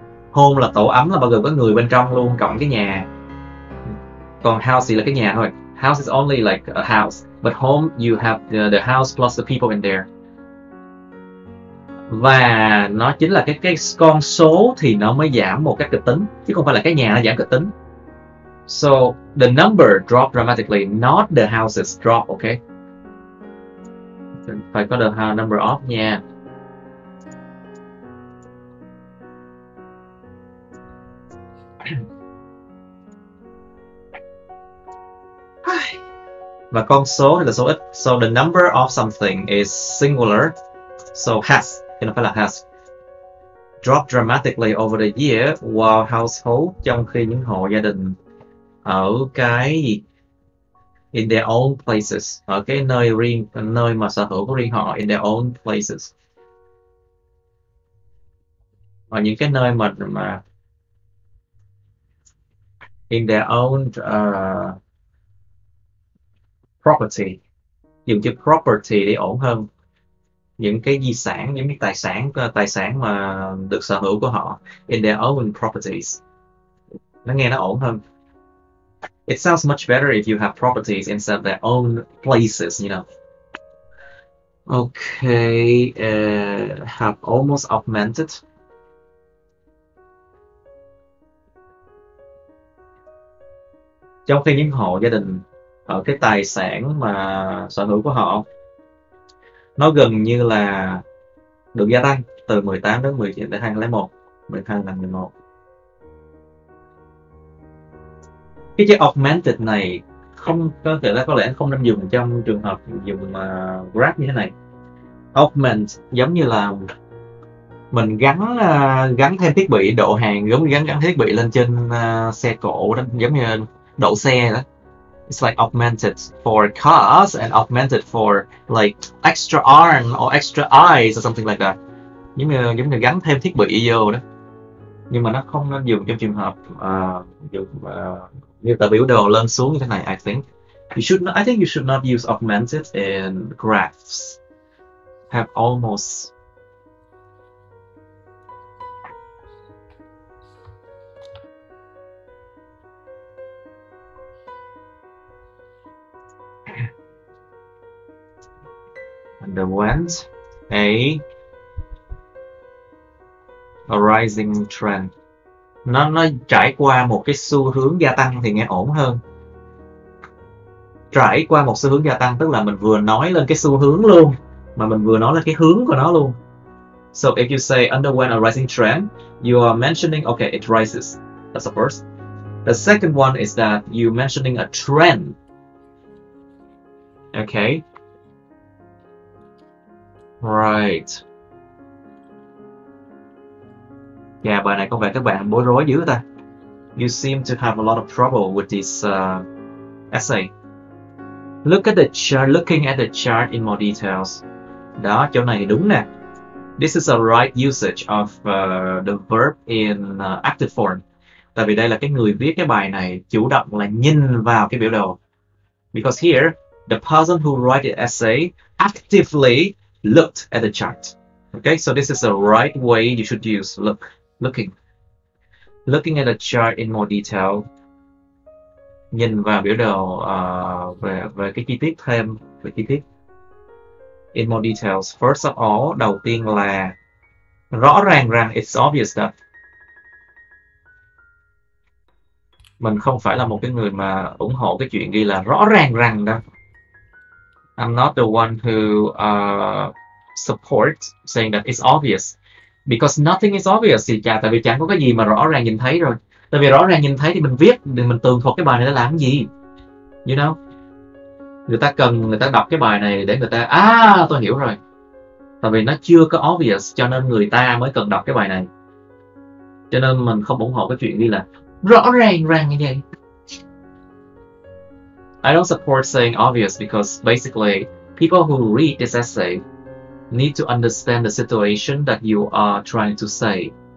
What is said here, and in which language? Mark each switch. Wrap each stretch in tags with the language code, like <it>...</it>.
<vi>Home là tổ ấm, là bao gồm có người bên trong luôn, cộng cái nhà. Còn house thì là cái nhà thôi.</vi> <en>House is only like a house. But home, you have the house plus the people in there.</en> <vi>Và nó chính là cái con số thì nó mới giảm một cách kịch tính. Chứ không phải là cái nhà nó giảm kịch tính.</vi> <en>So, the number dropped dramatically, not the houses drop, okay?</en> <vi>Phải có được number of nha. Và con số là số ít.</vi> <en>So the number of something is singular. So has,</en> <vi>chứ nó phải là</vi> <en>has, dropped dramatically over the year while household,</en> <vi>trong khi những hộ gia đình ở cái gì,</vi> <en>in their own places,</en> <vi>ở cái nơi riêng, nơi mà sở hữu của riêng họ, in their own places, ở những cái nơi mà</vi> <en>in their own property,</en> <vi>dùng chữ property để ổn hơn, những cái di sản, những cái tài sản mà được sở hữu của họ,</vi> <en>in their own properties,</en> <vi>nó nghe nó ổn hơn.</vi> <en>It sounds much better if you have properties instead of their own places, know. Okay, have almost augmented.</en> <vi>Trong khi những hộ gia đình ở cái tài sản mà sở hữu của họ nó gần như là được gia tăng từ 18 đến 19 đến 2001, 12 là 11. Cái chữ augmented này không có thể là, có lẽ không nên dùng trong trường hợp dùng Grab như thế này. Augment giống như là mình gắn gắn thêm thiết bị độ hàng, giống như gắn gắn thiết bị lên trên xe cổ đó, giống như độ xe đó.</vi> <en>It's like augmented for cars and augmented for like extra arm or extra eyes or something like that.</en> <vi>Giống như gắn thêm thiết bị vô đó. Nhưng mà nó không nên dùng trong trường hợp dùng như tờ biểu đồ lên xuống như thế này.</vi> <en>I think you should not use augmented in graphs. Have almost. Underwent a rising trend.</en> <vi>Nó trải qua một cái xu hướng gia tăng thì nghe ổn hơn. Trải qua một xu hướng gia tăng tức là mình vừa nói lên cái xu hướng luôn, mà mình vừa nói lên cái hướng của nó luôn.</vi> <en>So if you say underwent a rising trend, you are mentioning, okay, it rises. That's the first. The second one is that you mentioning a trend. Okay. Right.</en> <vi>Yeah, bài này có vẻ các bạn bối rối dữ ta.</vi> <en>You seem to have a lot of trouble with this essay. Look at the chart, looking at the chart in more details.</en> <vi>Đó, chỗ này thì đúng nè.</vi> <en>This is a right usage of the verb in active form.</en> <vi>Tại vì đây là cái người viết cái bài này chủ động là nhìn vào cái biểu đồ.</vi> <en>Because here, the person who write the essay actively looked at the chart. Okay, so this is the right way you should use. Looking at the chart in more detail.</en> <vi>Nhìn vào biểu đồ về về cái chi tiết thêm về chi tiết.</vi> <en>In more details. First of all,</en> <vi>đầu tiên là rõ ràng rằng</vi> <en>it's obvious that</en> <vi>mình không phải là một cái người mà ủng hộ cái chuyện ghi là rõ ràng rằng đâu.</vi> <en>I'm not the one who support saying that it's obvious. Because nothing is obvious</en> <vi>thì chà, tại vì chẳng có cái gì mà rõ ràng nhìn thấy rồi. Tại vì rõ ràng nhìn thấy thì mình viết, thì mình tường thuật cái bài này để làm cái gì?</vi> <en>You know?</en> <vi>Người ta cần người ta đọc cái bài này để người ta, à tôi hiểu rồi. Tại vì nó chưa có obvious cho nên người ta mới cần đọc cái bài này. Cho nên mình không ủng hộ cái chuyện đi là rõ ràng ràng như vậy.</vi> <en>I don't support saying obvious because basically people who read this essay need to understand the situation that you are trying to say.</en>